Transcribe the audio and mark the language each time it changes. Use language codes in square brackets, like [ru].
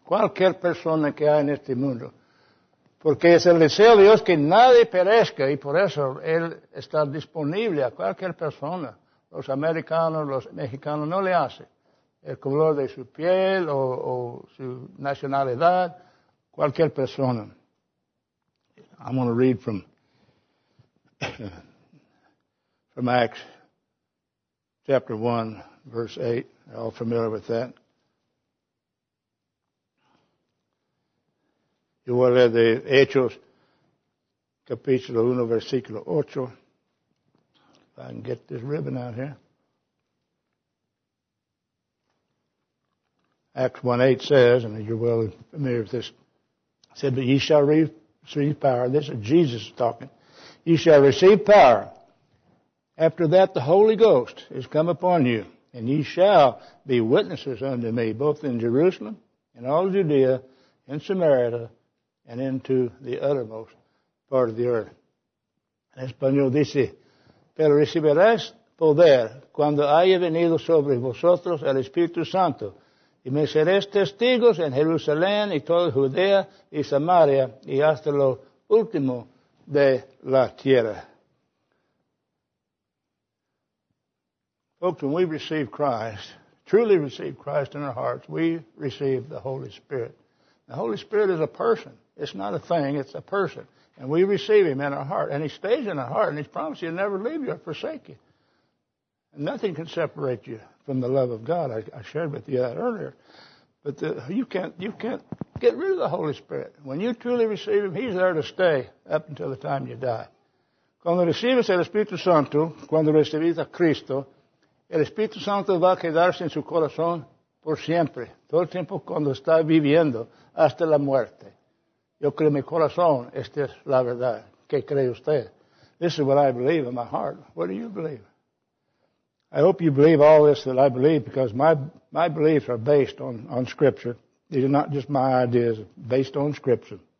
[es] Cualquier persona que hay en este mundo. Porque es el deseo de Dios que nadie perezca. Y por eso Él está disponible a cualquier persona. Los americanos, los mexicanos, no le hace. El color de su piel o su nacionalidad. Cualquier persona. [en] I'm going to read from Acts chapter 1, verse 8. You're all familiar with that. [es] Yo voy a leer de Hechos, capítulo 1, versículo 8. [en] If I can get this ribbon out here. Acts 1, 8 says, and you're well familiar with this, said, but ye shall read. Receive power. This is Jesus talking. You shall receive power. After that, the Holy Ghost is come upon you, and ye shall be witnesses unto me, both in Jerusalem and all Judea, in Samaria, and into the uttermost part of the earth. [es] En español dice, pero recibirás poder cuando haya venido sobre vosotros el Espíritu Santo. Y me seréis testigos en Jerusalén y toda Judea y Samaria y hasta lo último de la tierra. [en] Folks, when we receive Christ, truly receive Christ in our hearts, we receive the Holy Spirit. The Holy Spirit is a person. It's not a thing. It's a person. And we receive him in our heart. And he stays in our heart. And he's promised he'll never leave you or forsake you. And nothing can separate you from the love of God. I shared with you that earlier. But you can't get rid of the Holy Spirit. When you truly receive him, he's there to stay up until the time you die. [es] Cuando recibes el Espíritu Santo, cuando recibes a Cristo, el Espíritu Santo va a quedarse en su corazón por siempre, todo el tiempo cuando está viviendo, hasta la muerte. Yo creo en mi corazón, esta es la verdad. ¿Qué cree usted? [en] This is what I believe in my heart. What do you believe? I hope you believe all this that I believe, because my beliefs are based on Scripture. These are not just my ideas, based on Scripture.